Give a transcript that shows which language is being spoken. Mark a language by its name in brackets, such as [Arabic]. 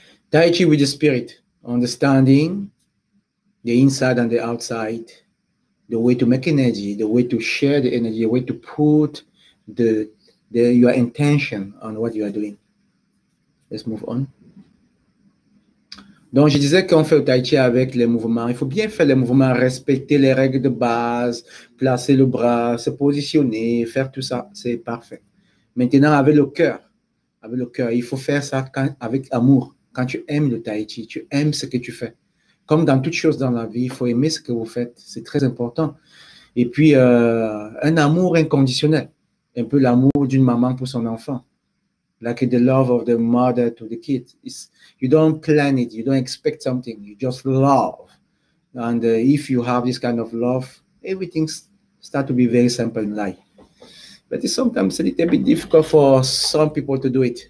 [English] Tai Chi with the spirit, understanding the inside and the outside, the way to make energy, the way to share the energy, the way to put your intention on what you are doing. Let's move on. [French] Donc, je disais qu'on fait le Tai Chi avec les mouvements. Il faut bien faire les mouvements, respecter les règles de base, placer le bras, se positionner, faire tout ça. C'est parfait. Maintenant, avec le cœur, il faut faire ça avec amour. Quand tu aimes le Tai Chi, tu aimes ce que tu fais. Comme dans toute chose dans la vie, il faut aimer ce que vous faites. C'est très important. Et puis, un amour inconditionnel. Un peu l'amour d'une maman pour son enfant. [English] Like the love of the mother to the kid. It's, you don't plan it. You don't expect something. You just love. And if you have this kind of love, everything starts to be very simple in life. But it's sometimes a little bit difficult for some people to do it.